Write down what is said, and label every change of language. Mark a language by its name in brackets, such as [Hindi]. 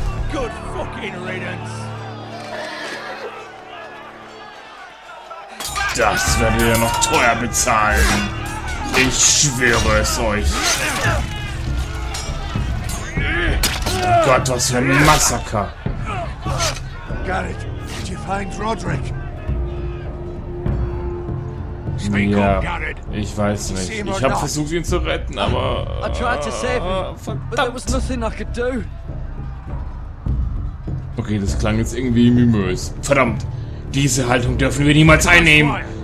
[English] Good fucking riddance! [German] Das werdet ihr noch teuer bezahlen! Ich schwöre es euch! Gott, was für ein Massaker! [English] Garrett, did you find Roderick? [German] Ja, ich weiß nicht. Ich habe versucht, ihn zu retten, aber... Verdammt! Okay, das klang jetzt irgendwie mimös. Verdammt! Diese Haltung dürfen wir niemals einnehmen!